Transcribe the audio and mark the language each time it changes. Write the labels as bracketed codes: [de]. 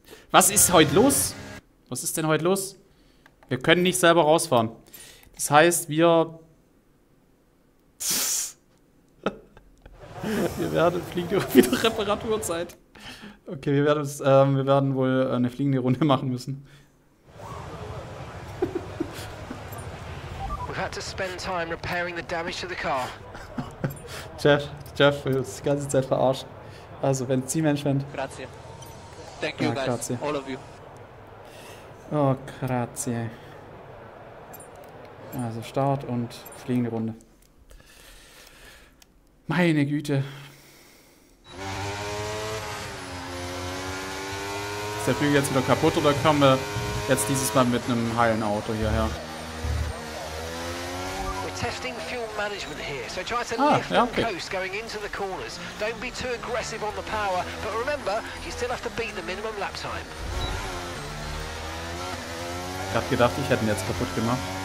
[de] Was ist heute los? Was ist denn heute los? Wir können nicht selber rausfahren. Das heißt, fliegen wir wieder Reparaturzeit. Okay, wir werden wohl eine fliegende Runde machen müssen. [en] We've had to spend time repairing the damage to the car. [de] Jeff, du hast die ganze Zeit verarscht. Also, wenn Benzinmanagement. [it] Grazie. [en] Thank you, guys. Grazie. All of you. [it] Oh, grazie. [de] Also, Start und fliegende Runde. Meine Güte. Ist der Flügel jetzt wieder kaputt oder kommen wir jetzt dieses Mal mit einem heilen Auto hierher? [en] Testing fuel management here, so try to lift the coast going into the corners. Don't be too aggressive on the power, but remember, you still have to beat the minimum lap time. [de] Ich hab gedacht, ich hätte ihn jetzt kaputt gemacht.